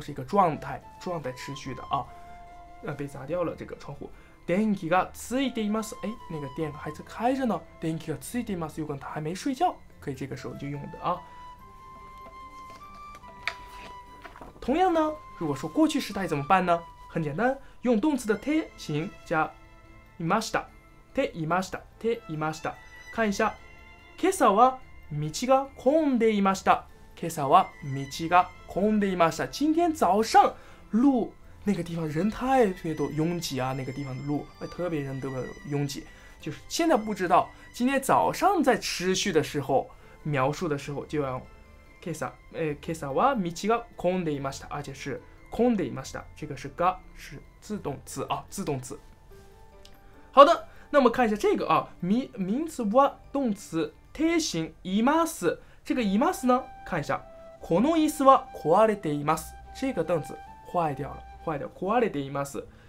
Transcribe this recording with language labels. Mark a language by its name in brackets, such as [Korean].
[Chinese] 描述一个状态持续的啊。被砸掉了这个窗户。 [Japanese] 電気がついています。 [Chinese] 哎，那个电还在开着呢。 [Japanese] 電気がついています。 [Chinese] 有可能他还没睡觉，可以这个时候就用的啊。同样呢，如果说过去时态怎么办呢？很简单，用动词的て形加いました。 [Japanese] ていました。ていました。 [Chinese] 看一下。 [Japanese] 今朝は道が混んでいました。今朝は道が混んでいました。 [Chinese] 今天早上路那个地方人太多拥挤啊，那个地方的路特别人多拥挤。就是现在不知道，今天早上在持续的时候描述的时候就要 [Japanese] 今朝は道が混んでいました。 [Chinese] 而且是 [Japanese] 混んでいました。 [Chinese] 这个是が是自动词啊，自动词。好的。那么看一下这个啊，名词は动词て形います。这个います呢，看一下， [Japanese] この椅子は壊れています。 [Chinese] 这个凳子坏掉了，坏掉 [Japanese] 壊れています。